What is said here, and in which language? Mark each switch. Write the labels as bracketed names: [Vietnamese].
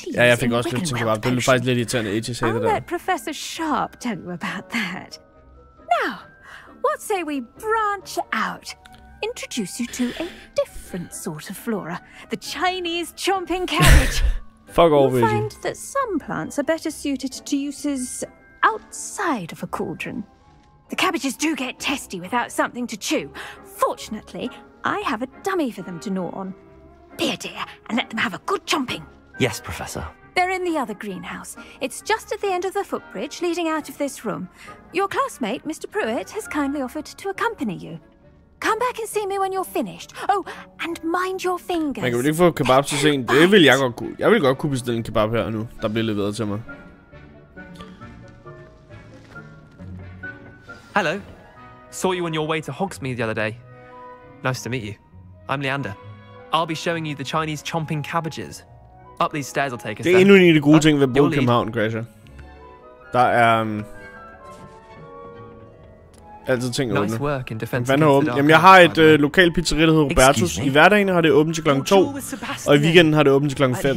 [Danish] Ja, jeg fik også lidt tænkt på, at det blev faktisk lidt irriterende, at jeg sagde det der. [English] I'll let Professor Sharp tell you about that. Now, what say we branch out? Introduce you to a different sort of flora, the Chinese chomping cabbage. Fuck off, you'll find that some plants are better suited to uses outside of a cauldron. The cabbages do get testy without something to chew. Fortunately, I have a dummy for them to gnaw on. Be a dear and let them have a good chomping. Yes, Professor. They're in the other greenhouse. It's just at the end of the footbridge leading out of this room. Your classmate, Mr. Pruitt, has kindly offered to accompany you. Come back and see me when you're finished. Oh, and mind your fingers. [Danish] Man kan vel ikke få kebab til sent? Det vil jeg godt kunne. Jeg vil godt kunne bestille en kebab her nu, der bliver leveret til mig. [English] Hello. Saw you on your way to Hogsmeade the other day. Nice to meet you. I'm Leander. I'll be showing you the Chinese chomping cabbages. Up these stairs will take us there. [Danish] Det er endnu en af de gode ting ved Bo Kemhavn, Crasher. Der er... altid ting åbne. Jamen, jeg har et lokal pizzeri, der hedder Robertus. I hverdagen har det åbent til klokken 2, og i weekenden har det åbent til klokken 5.